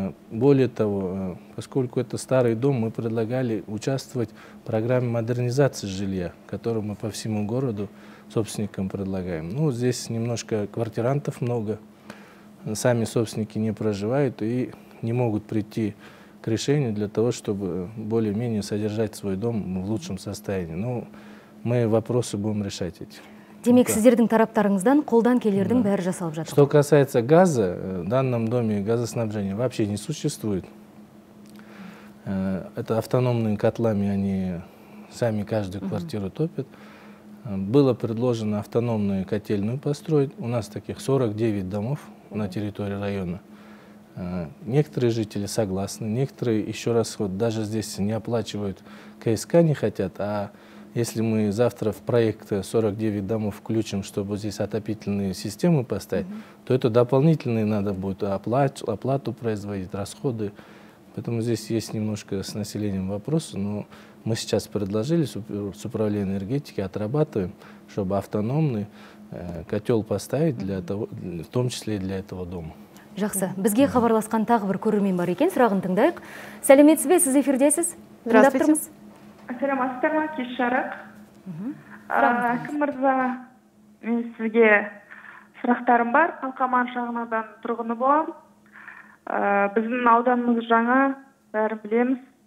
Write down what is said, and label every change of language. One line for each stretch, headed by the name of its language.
Russian: Более того, поскольку это старый дом, мы предлагали участвовать в программе модернизации жилья, которую мы по всему городу собственникам предлагаем. Ну, здесь немножко квартирантов много, сами собственники не проживают и не могут прийти к решению для того, чтобы более-менее содержать свой дом в лучшем состоянии. Ну, мы вопросы будем решать эти.
Kazakh: Демек, сіздердің тараптарыңыздан, қолдан келердің бәрі жасалып жатыр.
Russian: Что касается газа, в данном доме газоснабжения вообще не существует. Это автономными котлами, они сами каждую квартиру топят. Было предложено автономную котельную построить. У нас таких 49 домов на территории района. Некоторые жители согласны, некоторые еще раз вот даже здесь не оплачивают КСК, не хотят, а... Если мы завтра в проект 49 домов включим, чтобы здесь отопительные системы поставить, то это дополнительные надо будет оплату производить, расходы. Поэтому здесь есть немножко с населением вопрос. Но мы сейчас предложили с управлением энергетики, отрабатываем, чтобы автономный котел поставить, для того, в том числе и для этого дома.
Kazakh: Жақсы, бізге хабарласқан тағы бір көрермен бар екен, сұрағын тыңдайық. Сәлеметсіз бе, сіз эфирдесіз?
Russian: Здравствуйте.
Kazakh: Саламатсыздар ма, кеш жарық. Кім мырза, мен сізге сұрақтарым бар. Қалқаман шағын аудан тұрғыны болам. Біздің ауданымыз жаңа, бәрін білеміз.